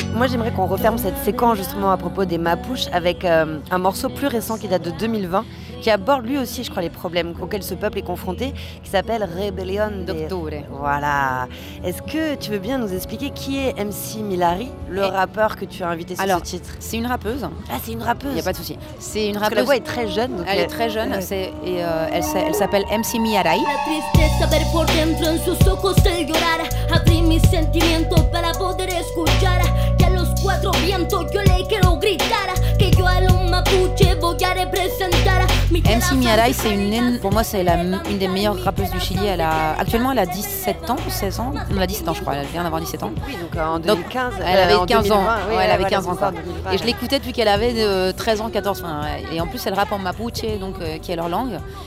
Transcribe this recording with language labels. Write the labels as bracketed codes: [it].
[fr] J'aimerais qu'on referme cette séquence justement à propos des Mapuches avec un morceau plus récent qui date de 2020, qui aborde lui aussi, je crois, les problèmes auxquels ce peuple est confronté, qui s'appelle Rebellion d'Octubre. Voilà. Est-ce que tu veux bien nous expliquer qui est MC Milari, le rappeur que tu as invité sur alors, ce titre? C'est une rappeuse. Ah, c'est une rappeuse. Il n'y a pas de souci. C'est une rappeuse. Parce que la voix est très jeune. Donc elle est très jeune. C'est, elle s'appelle MC Milari. [es] La tristeza ver por dentro en sus ojos el llorar. Abrí mis sentimientos para poder escuchar. Cuatro vientos, yo le quiero gritar que yo a los mapuches voy a representar. [fr] MC Milari, c'est pour moi, c'est une des meilleures rappeuses du Chili. Actuellement, elle a 17 ans ou 16 ans. Elle a 17 ans, je crois. Elle vient d'avoir 17 ans. Oui, donc en 2015. Donc, elle avait 15 2020, ans. Oui, ouais, elle avait 15 ans. Encore. Et je l'écoutais depuis qu'elle avait 13 ans, 14 ans. Enfin, et en plus, elle rappe en mapuche, donc, qui est leur langue.